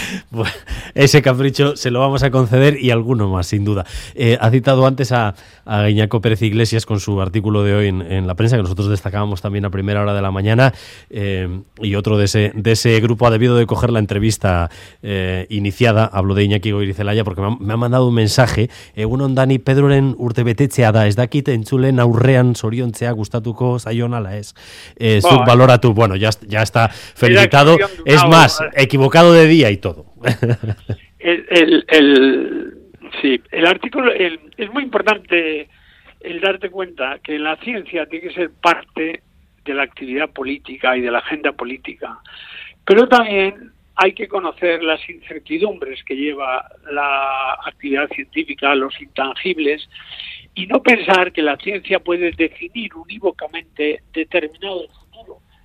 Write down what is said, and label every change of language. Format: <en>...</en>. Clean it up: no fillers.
<es>Bueno, ese capricho se lo vamos a conceder y alguno más, sin duda. Ha citado antes a Iñaco Pérez Iglesias con su artículo de hoy en la prensa, que nosotros destacábamos también a primera hora de la mañana, y otro de ese grupo ha debido de coger la entrevista iniciada. Hablo de Iñaki Goirizelaia porque me ha mandado un mensaje.</es> <eu>Egunon Dani, Pedroren urtebetetzea da, ez dakit entzulen aurrean soriontzea gustatuko zaionala ez. Zuk baloratu,</eu> <es>bueno, ya está felicitado. Es más, equivocado de día y todo. El artículo es muy importante el darte cuenta que la ciencia tiene que ser parte de la actividad política y de la agenda política, pero también hay que conocer las incertidumbres que lleva la actividad científica, los intangibles, y no pensar que la ciencia puede definir unívocamente determinado futuro.</es>